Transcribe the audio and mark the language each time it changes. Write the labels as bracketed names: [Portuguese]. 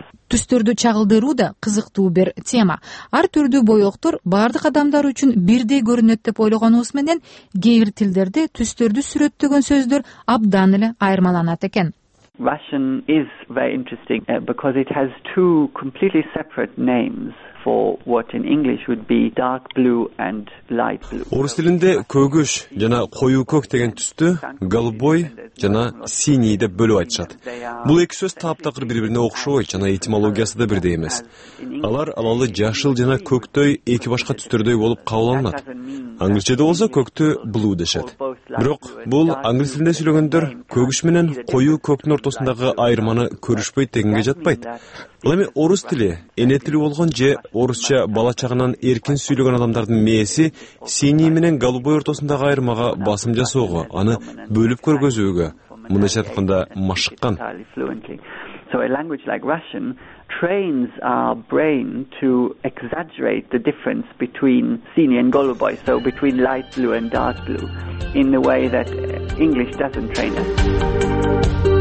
[Kyrgyz] Түстөрдү чагылдыруу да кызыктуу бир тема. Ар түрдүү боектор баардык адамдар үчүн бирдей көрүнөт деп ойлогонубуз менен кээ бир тилдерде түстөрдү сүрөттөгөн сөздөр абдан эле айырмаланат экен. [English] Russian is very interesting because it has two completely separate names for what in English would be dark blue and light blue. [Kyrgyz] Орус тилинде көгүш жана коюу көк деген түстү голубой жана синий деп бөлүп айтышат. Бул эки сөз таптакыр бири-бирине окшобой жана этимологиясы да бирдей эмес. Алар алалы жашыл жана көктөй эки башка түстөрдөй болуп кабылданат. Англичеде болсо көктү blue дешет. Бирок бул англис тилинде сүйлөгөндөр көгүш менен коюу көктүн ортосундагы айырманы көрүшпөйт дегенге жатпайт. Бул эми орус тили, эне тили болгон же орусча бала чагынан эркин сүйлөгөн адамдардын мээси синий менен голубой ортосундагы айырмага басым жасоого, аны бөлүп көргөзүүгө, мындайча айтканда машыккан. [English] So a language like Russian trains our brain to exaggerate the difference between sini and golubai, so between light blue and dark blue, in the way that English doesn't train us.